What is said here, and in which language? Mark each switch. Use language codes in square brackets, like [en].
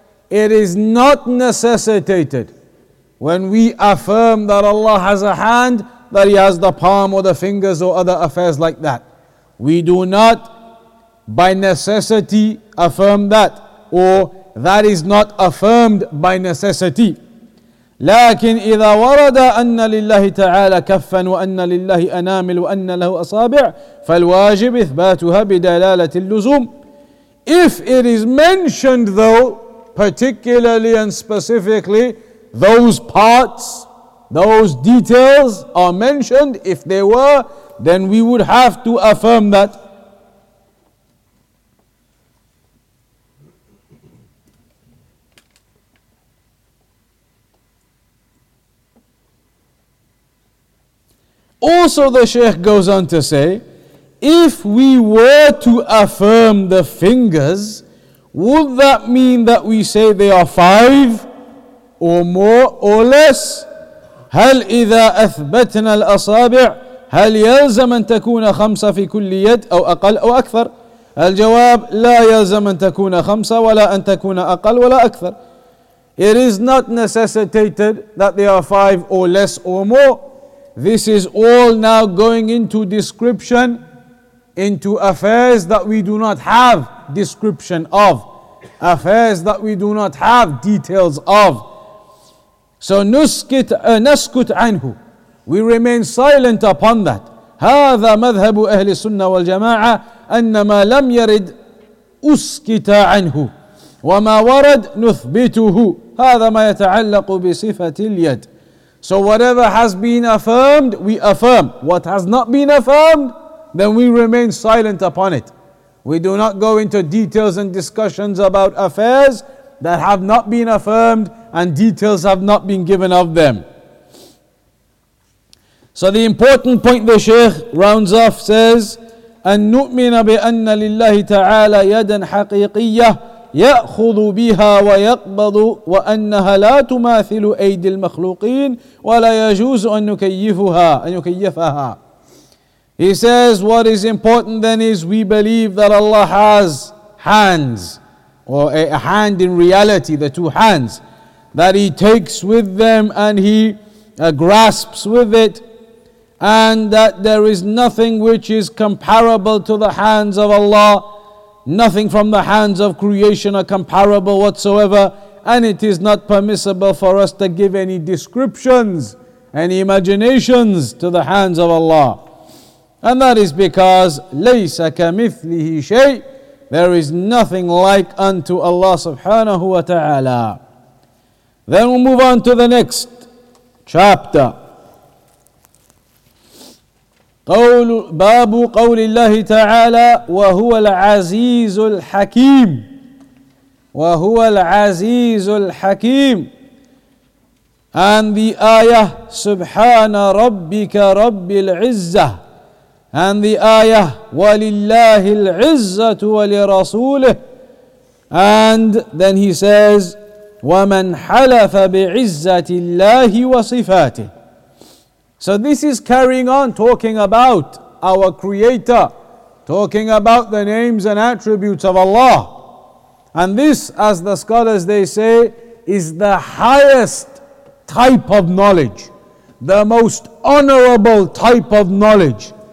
[en] It is not necessitated when we affirm that Allah has a hand that He has the palm or the fingers or other affairs like that. We do not by necessity affirm that, or that is not affirmed by necessity. [ar] لكن إذا ورد أن لله تعالى كفا وأن لله أنامل وأن له أصابع فالواجب إثباتها بدلالة اللزوم. [en] If it is mentioned though, particularly and specifically, those parts, those details are mentioned, if they were, then we would have to affirm that. Also, the Shaykh goes on to say, if we were to affirm the fingers, would that mean that we say they are five or more or less? [ar] هل إذا أثبتنا الأصابع هل يلزم أن تكون خمسة في كل يد أو أقل أو أكثر؟ الجواب لا يلزم أن تكون خمسة ولا أن تكون أقل ولا أكثر. [en] It is not necessitated that they are five or less or more. This is all now going into description, into affairs that we do not have description of, affairs that we do not have details of. So [ar] نسكت عنه, [en] we remain silent upon that. [ar] هذا مذهب أهل السنة والجماعة أنما لم يرد أسكت عنه وما ورد نثبته هذا ما يتعلق بصفة اليد. [en] So whatever has been affirmed, we affirm. What has not been affirmed, then we remain silent upon it. We do not go into details and discussions about affairs that have not been affirmed and details have not been given of them. So the important point the Shaykh rounds off says, [ar] أن نؤمن بأن لله تعالى يدا حقيقية يأخذ بها ويقبض وأنها لا تماثل أيدي المخلوقين ولا يجوز أن نكيفها أن يكيفها. [en] He says what is important then is we believe that Allah has hands, or a hand in reality, the two hands, that He takes with them and He grasps with it, and that there is nothing which is comparable to the hands of Allah. Nothing from the hands of creation are comparable whatsoever, and it is not permissible for us to give any descriptions, any imaginations to the hands of Allah. And that is because [ar] لَيْسَ كَمِثْلِهِ شَيْءٍ, [en] there is nothing like unto Allah subhanahu wa ta'ala. Then we'll move on to the next chapter. [ar] قول باب قول الله تعالى وهو العزيز الحكيم وهو العزيز الحكيم. [en] And the ayah [ar] سبحان ربك رب العزة. [en] And the ayah [ar] ولله العزة ولرسوله. [en] And then he says [ar] ومن حلف بعزة الله وصفاته. [en] So this is carrying on talking about our Creator, talking about the names and attributes of Allah. And this, as the scholars they say, is the highest type of knowledge, the most honorable type of knowledge.